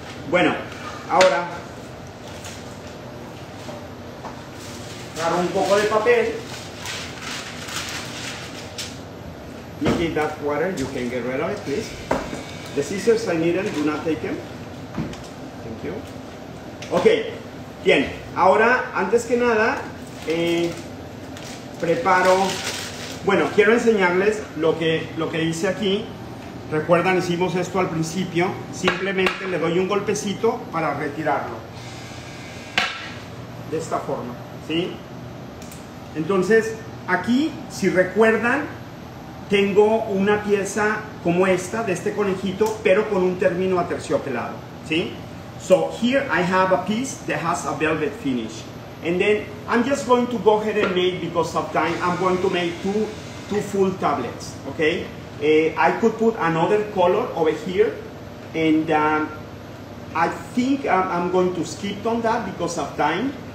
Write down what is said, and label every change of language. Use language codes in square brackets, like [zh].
[es] Bueno, ahora agarro un poco de papel. [en] You need that water, you can get rid of it, please. The scissors I needed, do not take them. Thank you. Okay, bien. [es] Ahora, antes que nada, preparo, bueno, quiero enseñarles lo que hice aquí. Recuerdan, hicimos esto al principio. Simplemente le doy un golpecito para retirarlo de esta forma, ¿sí? Entonces aquí, si recuerdan, tengo una pieza como esta, de este conejito, pero con un término aterciopelado, ¿sí? [en] So here I have a piece that has a velvet finish. And then I'm just going to go ahead and make, because of time, I'm going to make two full tablets, okay? I could put another color over here, and I think I'm going to skip on that because of time.